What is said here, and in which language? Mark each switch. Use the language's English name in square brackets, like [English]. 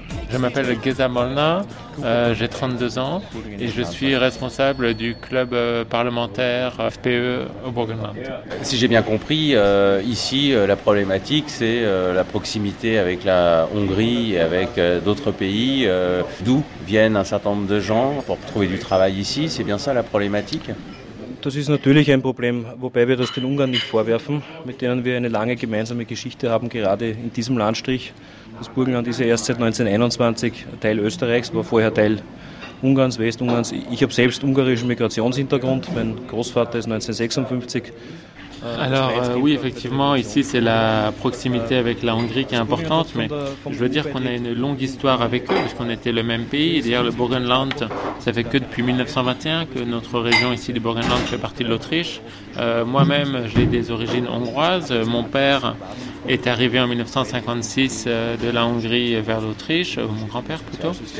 [French] Je m'appelle Geza Molnar, j'ai 32 ans et je suis responsable du club parlementaire FPE au Burgenland. Si j'ai bien compris, ici la problématique c'est la proximité avec la Hongrie et avec d'autres pays, d'où viennent un certain nombre de gens pour trouver du travail ici, c'est bien ça la problématique ? [German] Das ist natürlich ein Problem, wobei wir das den Ungarn nicht vorwerfen, mit denen wir eine lange gemeinsame Geschichte haben, gerade in diesem Landstrich. Das Burgenland ist ja erst seit 1921 Teil Österreichs, war vorher Teil Ungarns, Westungarns. Ich habe selbst ungarischen Migrationshintergrund, mein Großvater ist 1956. [French] Alors oui, effectivement, ici c'est la proximité avec la Hongrie qui est importante, mais je veux dire qu'on a une longue histoire avec eux, puisqu'on était le même pays. D'ailleurs, le Burgenland, ça fait que depuis 1921 que notre région ici du Burgenland fait partie de l'Autriche. Moi-même, j'ai des origines hongroises. Mon père est arrivé en 1956 de la Hongrie vers l'Autriche, mon grand-père plutôt.